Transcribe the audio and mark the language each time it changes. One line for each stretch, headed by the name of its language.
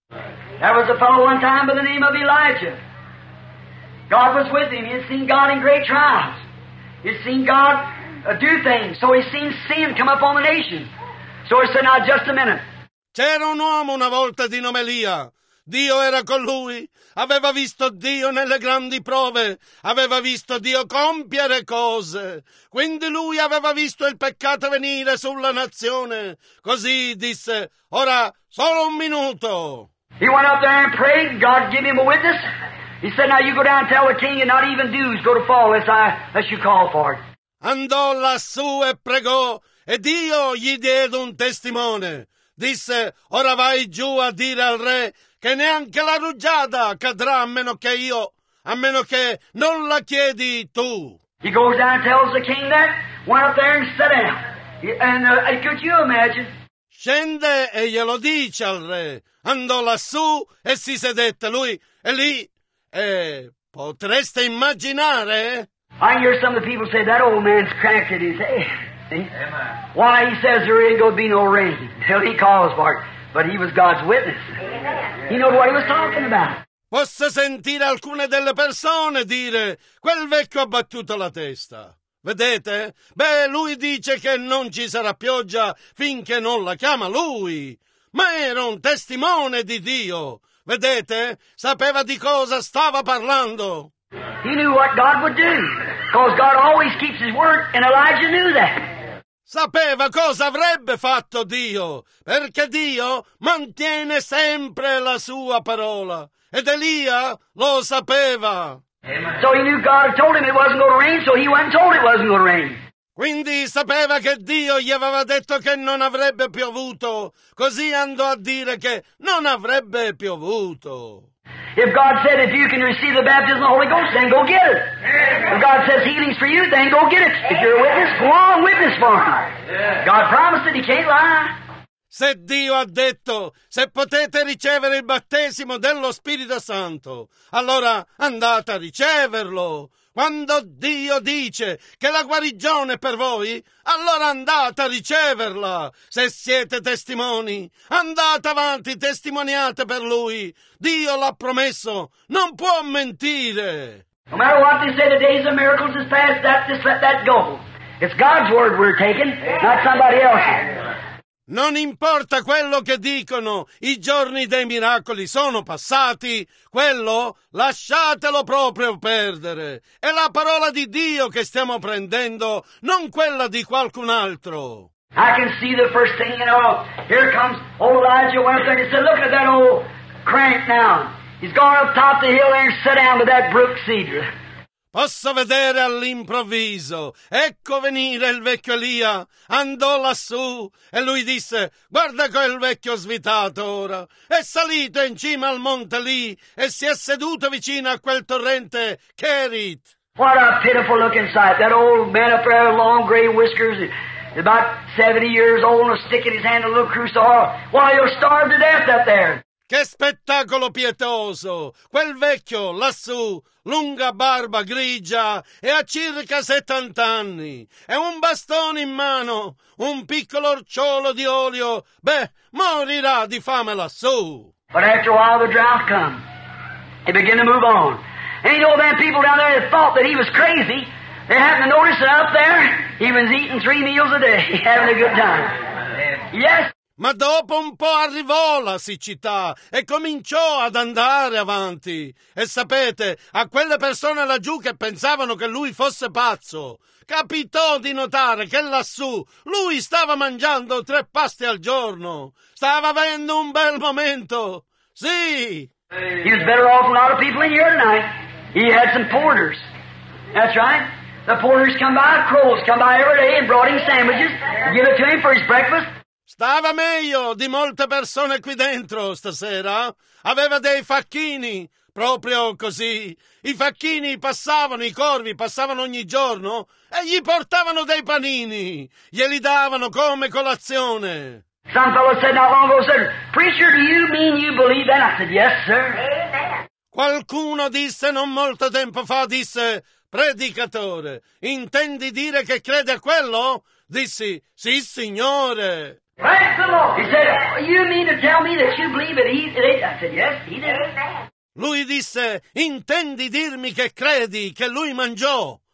English: There was a fellow one time by the name of Elijah. God was with him. He had seen God in great trials. He had seen God do things. So he seen sin come up on the nation. So he said, now just a minute.
Italian: C'era un uomo una volta di nome Elia. Dio era con lui, aveva visto Dio nelle grandi prove, aveva visto Dio compiere cose. Quindi lui aveva visto il peccato venire sulla nazione. Così disse, ora solo un minuto.
English: He went up there and prayed, God gave him a witness. He said, now you go down and tell the king and not even dews go to fall unless you call for it.
Italian: Andò lassù e pregò, e Dio gli diede un testimone. Disse, ora vai giù a dire al re che neanche la rugiada cadrà a meno che non la chiedi tu.
English: He goes down and tells the king that, went up there and sat down. And could you imagine?
Italian: Scende e glielo dice al re. Andò lassù e si sedette lui. E lì, potreste immaginare?
English: I hear some of the people say, that old man's cracked his head. Amen. Why, he says there ain't going to be no rain till he calls for it. But he was God's witness. Amen. He knew what he was talking about.
Italian: Posso sentire alcune delle persone dire, quel vecchio ha battuto la testa. Vedete? Beh, lui dice che non ci sarà pioggia finché non la chiama lui. Ma era un testimone di Dio. Vedete? Sapeva di cosa stava parlando.
English: He knew what God would do. Because God always keeps his word, and Elijah knew that.
Italian: Sapeva cosa avrebbe fatto Dio, perché Dio mantiene sempre la sua parola. Ed Elia lo sapeva.
English: So he knew God had told him it wasn't going to rain, so he went and told it wasn't going to rain.
Italian: Quindi sapeva che Dio gli aveva detto che non avrebbe piovuto, così andò a dire che non avrebbe piovuto.
English: If God said if you can receive the baptism of the Holy Ghost, then go get it. If God says healing's for you, then go get it. If you're a witness, go on, witness for him. God promised it, he can't lie.
Italian: Se Dio ha detto, se potete ricevere il battesimo dello Spirito Santo, allora andate a riceverlo. Quando Dio dice che la guarigione è per voi, allora andate a riceverla. Se siete testimoni, andate avanti, testimoniate per Lui. Dio l'ha promesso, non può mentire.
English: No matter what they say, the days of miracles is past, let that go. It's God's word we're taking, not somebody else's.
Italian: Non importa quello che dicono, i giorni dei miracoli sono passati, quello lasciatelo proprio perdere. È la parola di Dio che stiamo prendendo, non quella di qualcun altro.
English: I can see the first thing, you know, here comes old Elijah went up there and he said, look at that old crank now. He's gone up top the hill and sat down with that brook cedar.
Italian: Posso vedere all'improvviso, ecco venire il vecchio Elia, andò lassù e lui disse, guarda quel vecchio svitato ora, è salito in cima al monte lì e si è seduto vicino a quel torrente Cherith.
English: What a pitiful looking sight, that old man up there with long gray whiskers, about 70 years old, and a stick in his hand, a little crucifix, why you're starved to death up there.
Italian: Che spettacolo pietoso! Quel vecchio lassù, lunga barba grigia e ha circa 70 anni, e un bastone in mano, un piccolo orciolo di olio, beh, morirà di fame lassù.
English: But after a while the drought come. He began to move on. And you know that people down there that thought that he was crazy, they happened to notice that up there he was eating 3 meals a day, having a good time. Yes.
Italian: Ma dopo un po' arrivò la siccità e cominciò ad andare avanti. E sapete, a quelle persone laggiù che pensavano che lui fosse pazzo, capitò di notare che lassù lui stava mangiando 3 pasti al giorno. Stava avendo un bel momento. Sì!
English: He was better off than a lot of people in here tonight. He had some porters. That's right. The porters come by, crows come by every day and brought him sandwiches. Give it to him for his breakfast.
Italian: Stava meglio di molte persone qui dentro stasera. Aveva dei facchini, proprio così. I facchini passavano, i corvi passavano ogni giorno e gli portavano dei panini. Glieli davano come colazione.
English: Some fellow said not long ago, said, preacher, do you mean you believe that? I said, yes, sir. Amen.
Italian: Qualcuno disse non molto tempo fa, disse, predicatore, intendi dire che crede a quello? Dissi, sì, signore.
English: Praise the Lord. He said, you mean to tell me that you believe that he did it? I said, yes, he did it.
Italian: Lui disse, intendi dirmi che credi che lui mangiò?